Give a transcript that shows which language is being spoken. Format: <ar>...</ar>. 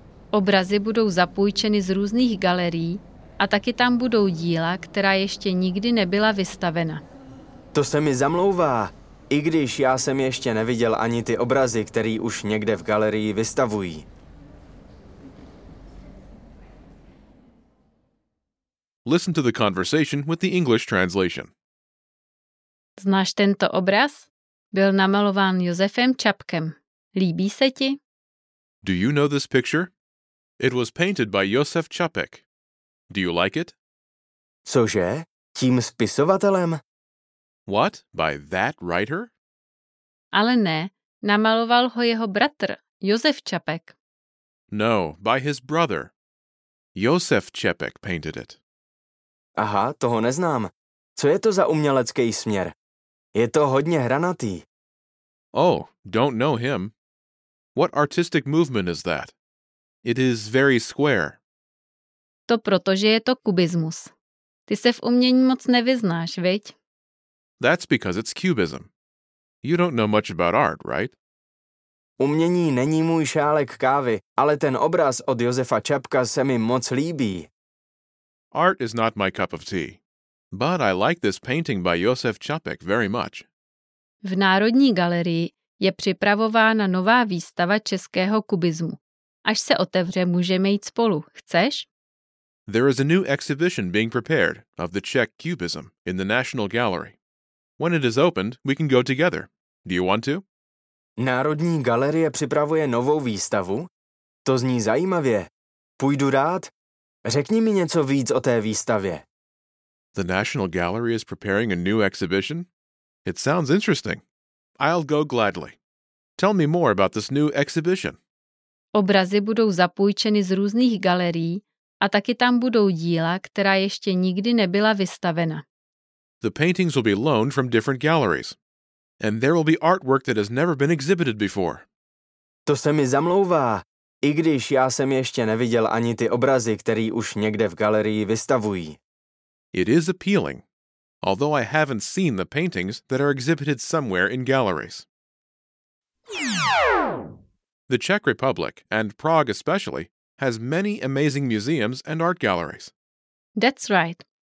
<cs>Obrazy budou zapůjčeny z různých galerií a taky tam budou díla, která ještě nikdy nebyla vystavena. To se mi zamlouvá, i když já jsem ještě neviděl ani ty obrazy, které už někde v galerii vystavují.</cs> <en>Listen to the conversation with the English translation.</en> <cs>Znáš tento obraz? Byl namalován Josefem Čapkem. Líbí se ti?</cs> <en>Do you know this picture? It was painted by Josef Čapek. Do you like it?</en> <cs>Cože? Tím spisovatelem?</cs> <en>What? By that writer?</en> <cs>Ale ne, namaloval ho jeho bratr, Josef Čapek.</cs> <en>No, by his brother. Josef Čapek painted it.</en> <cs>Aha, toho neznám. Co je to za umělecký směr? Je to hodně hranatý.</cs> <en>Oh, don't know him. What artistic movement is that? It is very square.</en> <cs>To proto, že je to kubismus. Ty se v umění moc nevyznáš, viď?</cs> <en>That's because it's cubism. You don't know much about art, right?</en> <cs>Umění není můj šálek kávy, ale ten obraz od Josefa Čapka se mi moc líbí.</cs> <en>Art is not my cup of tea, but I like this painting by Josef Čapek very much.</en> <cs>V Národní galerii je připravována nová výstava českého kubismu. Až se otevře, můžeme jít spolu. Chceš?</cs> <en>There is a new exhibition being prepared of the Czech Cubism in the National Gallery. When it is opened, we can go together. Do you want to?</en> <cs>Národní galerie připravuje novou výstavu? To zní zajímavě. Půjdu rád? Řekni mi něco víc o té výstavě.</cs> <en>The National Gallery is preparing a new exhibition? It sounds interesting. I'll go gladly. Tell me more about this new exhibition.</en> <cs>Obrazy budou zapůjčeny z různých galerií a taky tam budou díla, která ještě nikdy nebyla vystavena.</cs> <en>The paintings will be loaned from different galleries. And there will be artwork that has never been exhibited before.</en> <cs>To se mi zamlouvá, i když já jsem ještě neviděl ani ty obrazy, které už někde v galerii vystavují.</cs> <en>It is appealing, although I haven't seen the paintings that are exhibited somewhere in galleries. The Czech Republic, and Prague especially, has many amazing museums and art galleries. That's right.</en>